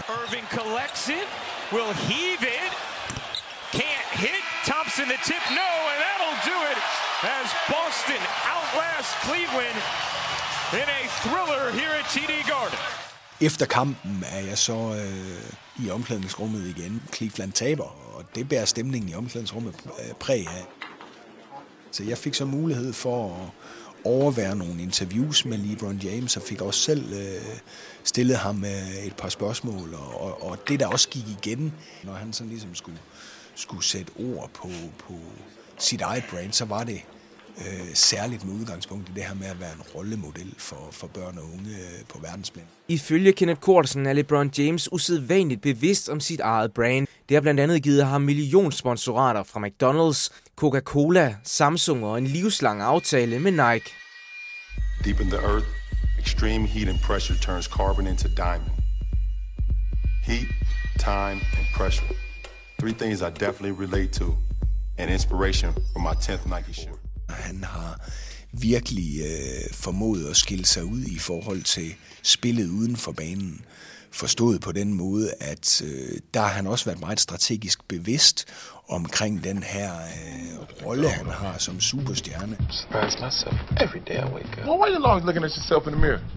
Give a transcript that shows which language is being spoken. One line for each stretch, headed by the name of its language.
English: Irving collects it, will heave it, can't hit, Thompson the tip, no, and that'll do it as Boston outlasts Cleveland in a thriller here at TD Garden.
Danish: Efter kampen er jeg så i omklædningsrummet igen. Cleveland taber, og det bærer stemningen i omklædningsrummet præg af. Så jeg fik så mulighed for at overvære nogle interviews med LeBron James, og fik også selv stillet ham et par spørgsmål. Og det, der også gik igen, når han sådan ligesom skulle sætte ord på sit eget brand, så var det særligt med udgangspunkt i det her med at være en rollemodel for børn og unge på verdensplan. Ifølge Kenneth Kortsen er LeBron James usædvanligt bevidst om sit eget brand. Det har blandt andet givet ham millionsponsorater fra McDonald's, Coca-Cola, Samsung og en livslang aftale med Nike.
English: Deep in the earth, extreme heat and pressure turns carbon into diamond. Heat, time and pressure. Three things I definitely relate to and inspiration for my 10th Nike shoe.
Danish: Han har virkelig formået at skille sig ud i forhold til spillet uden for banen. Forstået på den måde, at der har han også været meget strategisk bevidst omkring den her rolle, han har som superstjerne.
English: Well, why are you always looking at yourself in the mirror?